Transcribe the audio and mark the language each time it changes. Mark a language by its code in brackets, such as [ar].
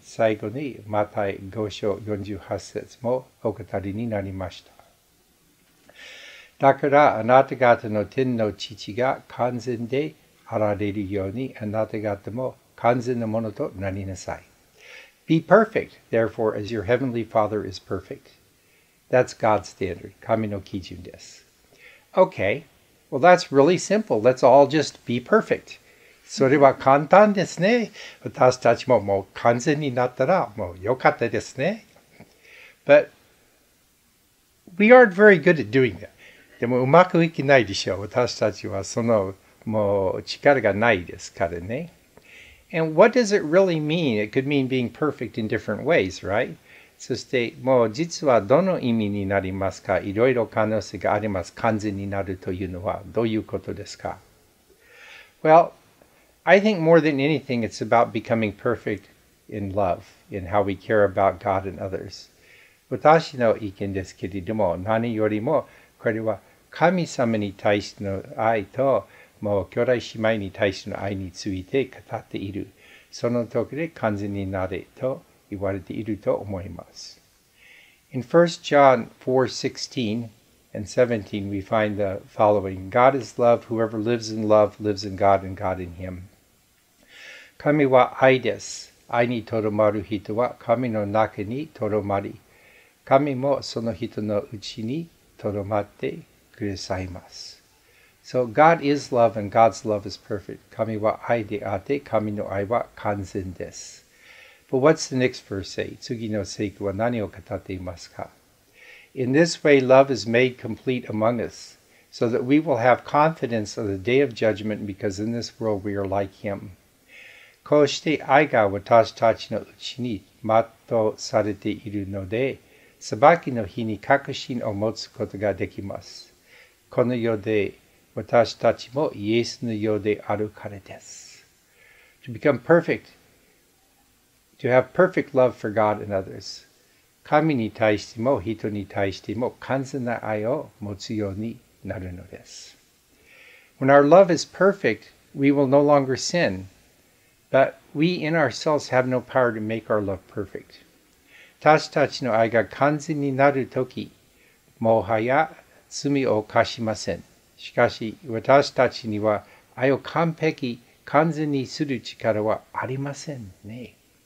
[ja] 最後にマタイ5章48節もお語りになりました。だからあなた方の天の父が完全であられるようにあなた方も完全なものとなりなさい。 [en] Be perfect, therefore, as your heavenly Father is perfect. That's God's standard. [ja] 神の基準です。 [en] Okay, well, that's really simple. Let's all just be perfect. [ja] それは簡単ですね。私たちももう完全になったらもうよかったですね。 [en] But we aren't very good at doing that. [ja] でもうまくいけないでしょう。私たちはそのもう力がないですからね。 [en] And what does it really mean? It could mean being perfect in different ways, right? [ja] そしてもう実はどの意味になりますか?いろいろ可能性があります。完全になるというのはどういうことですか? [en] Well, I think more than anything, it's about becoming perfect in love, in how we care about God and others. [ja] 私の意見ですけれども、何よりもこれは神様に対しての愛と、もう兄弟姉妹に対しての愛について語っている。その時で完全になれと言われていると思います。 [en] In 1 John 4:16 and 17, we find the following. God is love. Whoever lives in love lives in God and God in him. [ja] 神は愛です。愛にとどまる人は神の中にとどまり、神もその人のうちにとどまってくださいます。 [en] So God is love and God's love is perfect. [ja] 神は愛であって神の愛は完全です。 [en] But what's the next verse say? [ja] 次の聖句は何を語っていますか? [en] In this way, love is made complete among us, so that we will have confidence on the day of judgment because in this world we are like him. [ja] こうして愛が私たちのうちに全うされているので、裁きの日に確信を持つことができます。この世で私たちもイエスのようであるからです。 [en] To become perfect, to have perfect love for God and others. [ja] 神に対しても人に対しても完全な愛を持つようになるのです。 [en] When our love is perfect, we will no longer sin, but we in ourselves have no power to make our love perfect. [ja] 私たちの愛が完全になるとき、もはや罪を犯しません。しかし、私たちには愛を完璧、完全にする力はありませんね。